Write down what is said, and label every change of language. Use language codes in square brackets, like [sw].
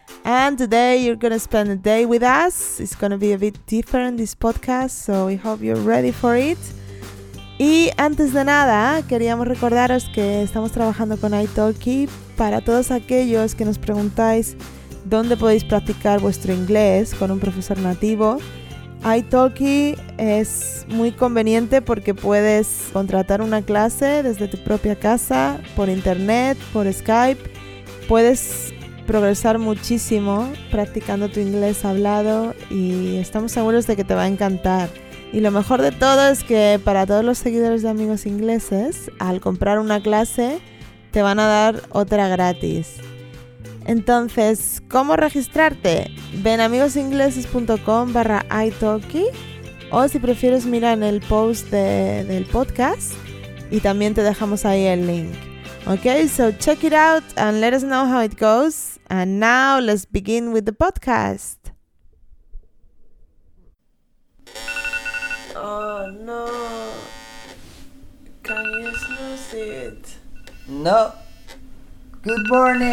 [en] And today you're going to spend a day with us. It's going to be a bit different, this podcast, so we hope you're ready for it. [es] Y antes de nada, queríamos recordaros que estamos trabajando con italki para todos aquellos que nos preguntáis dónde podéis practicar vuestro inglés con un profesor nativo. Italki es muy conveniente porque puedes contratar una clase desde tu propia casa, por internet, por Skype. Puedes progresar muchísimo practicando tu inglés hablado y estamos seguros de que te va a encantar. Y lo mejor de todo es que para todos los seguidores de Amigos Ingleses, al comprar una clase, te van a dar otra gratis. Entonces, ¿cómo registrarte? Ven a amigosingleses.com/italki o si prefieres mira en el post del podcast y también te dejamos ahí el link. [en] Okay, so check it out and let us know how it goes. And now let's begin with the podcast. Oh no. Can you snooze it? No. Good morning.